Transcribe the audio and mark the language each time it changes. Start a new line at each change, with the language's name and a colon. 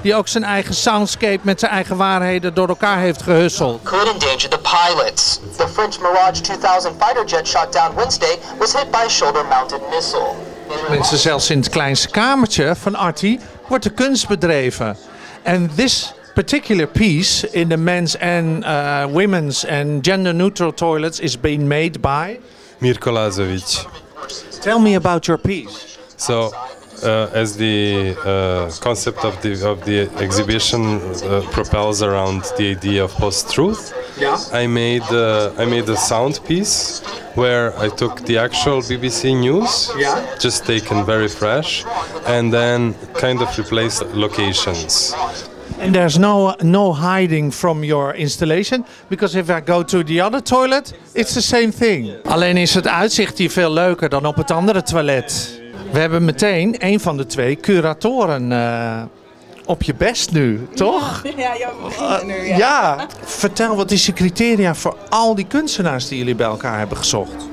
Dutch: Die ook zijn eigen soundscape met zijn eigen waarheden door elkaar heeft gehusseld.
English: Could endanger the pilots. The French Mirage 2000 fighter jet shot down Wednesday was hit by a shoulder-mounted missile.
Dutch: Mensen, zelfs in het kleinste kamertje van Arty wordt de kunst bedreven.
English: En this particular piece in the men's and women's and gender neutral toilets is being made by Mirko Lazovic. Tell me about your piece. So as the concept of the exhibition propels around the idea of post-truth, yeah. I made a sound piece where I took the actual BBC news, yeah. Just taken very fresh, and then kind of replaced locations. And there's no hiding from your installation, because if I go to the other toilet, it's the same thing.
Dutch: Alleen is het uitzicht hier veel leuker dan op het andere toilet. We hebben meteen een van de twee curatoren op je best nu, toch? Ja, ja. Vertel, wat is je criteria voor al die kunstenaars die jullie bij elkaar hebben gezocht?